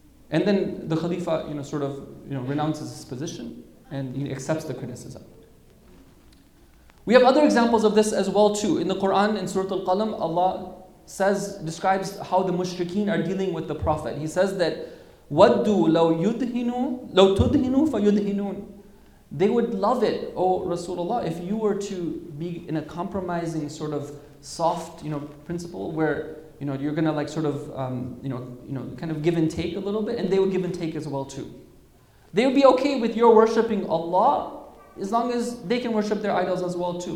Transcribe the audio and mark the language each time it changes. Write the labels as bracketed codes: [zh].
[en] And then the Khalifa, you know, sort of, you know, renounces his position and he accepts the criticism. We have other examples of this as well too. In the Quran, in Surah Al-Qalam, Allah says, describes how the mushrikeen are dealing with the Prophet. He says that [ar] وَدُّوا لَوْ تُدْهِنُوا فَيُدْهِنُونَ. [en] They would love it, O Rasulullah, if you were to be in a compromising sort of soft, you know, principle where, you know, you're gonna like sort of, kind of give and take a little bit, and they would give and take as well too. They would be okay with your worshipping Allah as long as they can worship their idols as well too.